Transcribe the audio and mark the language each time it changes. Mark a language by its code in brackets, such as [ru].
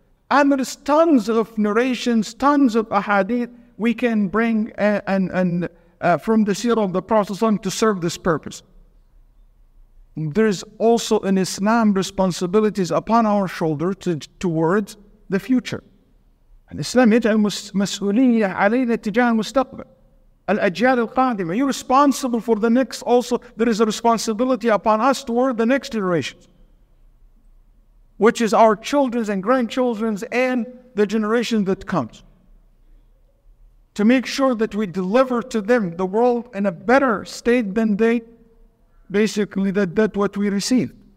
[en] And there's tons of narrations, tons of ahadith we can bring and from the seerah of the Prophet to serve this purpose. There's also in Islam responsibilities upon our shoulder towards the future. And Islam [ar] يجعل مسؤولية علينا تجاه المستقبل. الأجيال القادمة. [en] You're responsible for the next also. There is a responsibility upon us toward the next generations, which is our children's and grandchildren's and the generation that comes. To make sure that we deliver to them the world in a better state than they, basically, that what we received.